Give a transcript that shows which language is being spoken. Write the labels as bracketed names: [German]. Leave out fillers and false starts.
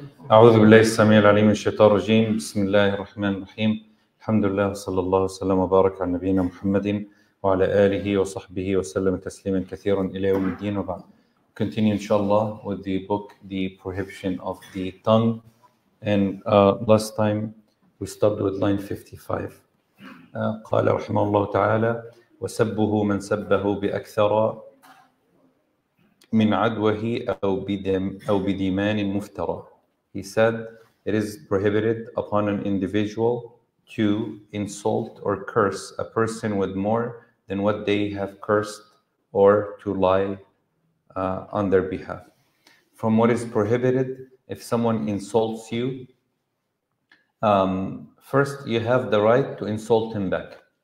[Arabic] أعوذ بالله السميع العليم من الشيطان الرجيم. بسم الله الرحمن الرحيم. الحمد لله صلى الله وسلم وبارك على نبينا محمد وعلى آله وصحبه وسلم تسليما كثيرا إلى يوم الدين. وبعد. [English] Continue inshallah with the book The Prohibition of the Tongue. And last time we stopped with line 55. [Arabic] قال رحمه الله تعالى وسبه من سبه بأكثر من عدوه أو بدم أو بديمان مفترى. [English] He said, it is prohibited upon an individual to insult or curse a person with more than what they have cursed or to lie on their behalf. From what is prohibited, if someone insults you, first you have the right to insult him back.